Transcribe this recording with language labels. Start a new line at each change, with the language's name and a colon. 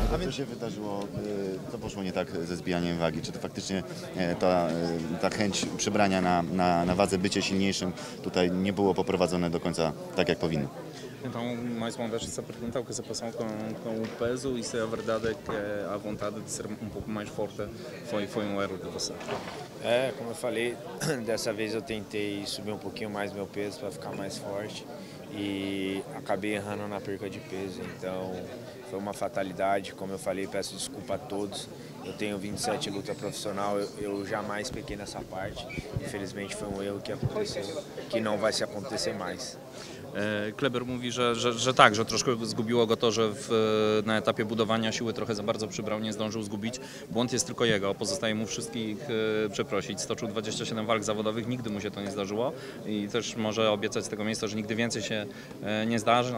Polish: się wydarzyło, co poszło nie tak ze zbijaniem wagi? Czy to faktycznie ta chęć przybrania na wadze, bycie silniejszym tutaj nie było poprowadzone do końca tak, jak powinno?
Portuguese: Então, mais uma vez, essa pergunta, o que se passou com o peso e se é verdade que a vontade de ser um pouco mais forte foi um erro de você? É, como eu falei, dessa vez eu tentei subir um pouquinho mais meu peso para ficar mais forte e acabei errando na perca de peso, então foi uma fatalidade, como eu falei, peço desculpa a todos. Eu tenho 27 luta profissional, eu jamais pequei nessa parte. Infelizmente foi um erro que aconteceu, que não vai se acontecer mais.
Polish: Kleber mówi, że tak, że troszkę zgubiło go to, że na etapie budowania siły trochę za bardzo przybrał, nie zdążył zgubić. Błąd jest tylko jego, pozostaje mu wszystkich przeprosić. Stoczył 27 walk zawodowych, nigdy mu się to nie zdarzyło i też może obiecać z tego miejsca, że nigdy więcej się nie zdarzy.